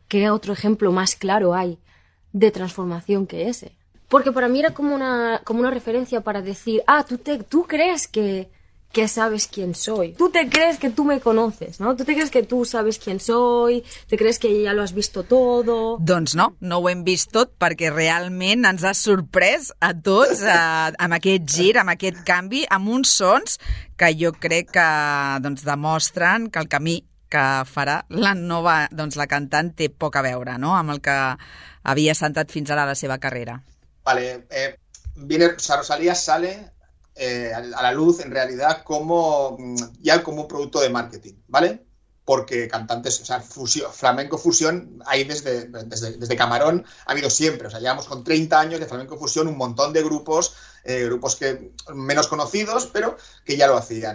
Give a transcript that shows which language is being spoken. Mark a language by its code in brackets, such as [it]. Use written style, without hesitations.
[es] ¿Qué otro ejemplo más claro hay de transformación que ese? Porque para mí era como una referencia para decir, ah, tú crees que sabes quién soy. Tú te crees que tú me conoces, ¿no? Tú te crees que tú sabes quién soy, te crees que ja lo has visto todo. [ca] Doncs no, no ho hem vist tot perquè realment ens ha sorprès a tots amb aquest gir, amb aquest canvi, amb uns sons que jo crec que doncs, demostren que el camí que farà la nova, doncs, la cantant té poc a veure, no?, amb el que havia sentat fins ara la seva carrera. [es] Vale, Rosalía sale a la luz en realidad como ya como un producto de marketing, ¿vale? Porque cantantes, o sea, flamenco fusión hay desde Camarón, ha habido siempre, o sea, llevamos con 30 años de flamenco fusión, un montón de grupos, grupos que menos conocidos, pero que ya lo hacían.